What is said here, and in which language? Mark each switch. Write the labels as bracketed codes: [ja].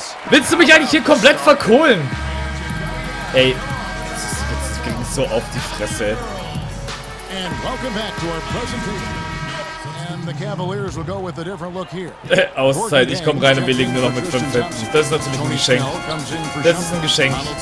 [de] Willst du mich eigentlich hier komplett verkohlen? Ey, das ging so auf die Fresse. Und willkommen zurück zu unserer Präsentation. [en] The Cavaliers will go with a different look here. [de] Auszeit, ich komme rein und wir liegen nur noch mit 5 Hits. Das ist natürlich ein Geschenk. Das ist ein Geschenk.